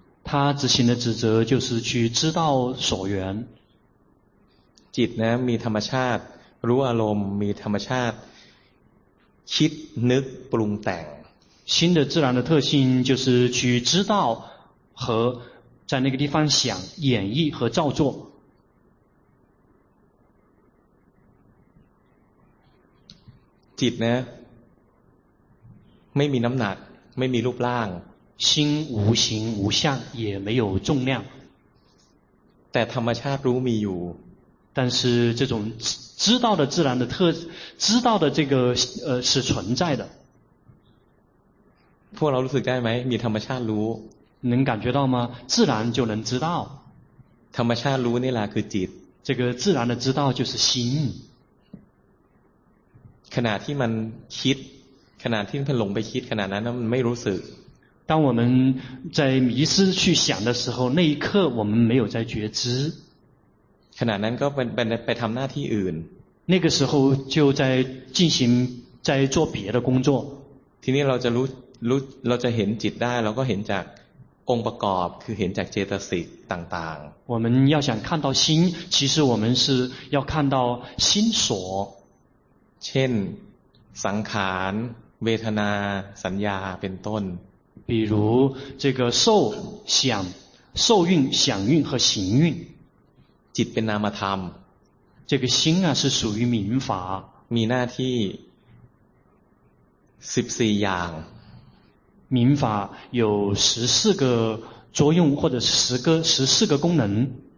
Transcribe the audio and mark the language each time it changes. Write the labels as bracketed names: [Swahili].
[Chinese] 他执行的职责就是去知道所缘。 [Thai] จิตนะมีธรรมชาติรู้อารมณ์มีธรรมชาติคิดนึกปรุงแต่ง [Chinese] 心的自然的特性就是去知道和在那个地方想演绎和造作。 [Thai] จิตนะไม่มีน้ำหนักไม่มีรูปร่าง [Chinese] 心无形无相也没有重量 [Thai] แต่ธรรมชาติรู้มีอยู่ [Chinese] 但是这种知道的自然的特知道的这个是存在的 [Thai] พวกเรารู้สึกได้ไหมมีธรรมชาติรู้ [Chinese] 能感觉到吗自然就能知道 [Thai] ธรรมชาติรู้นี่แหละคือจิต [Chinese] 这个自然的知道就是心 [Thai] ขณะที่มันคิดขณะที่มันหลงไปคิดขณะนั้นมันไม่รู้สึก [Chinese] 当我们在迷失去想的时候那一刻我们没有在觉知 [Thai] ขณะนั้นก็ไปทำหน้าที่อื่น [Chinese] 那个时候就在进行在做别的工作 [Thai] ทีนี้เราจะรู้เราจะเห็นจิตได้เราก็เห็นจากองค์ประกอบคือเห็นจากเจตสิกต่าง [Chinese] ๆ我们要想看到心其实我们是要看到心所 [Thai] เช่นสังขารเวทนาสัญญาเป็นต้น [Chinese] 比如这个受想受蕴想蕴和行蕴 [Thai] จิตเป็นนามธรรม [Chinese] 这个心啊是属于民法 มีหน้าที่14อย่าง 民法有14个作用或者14个功能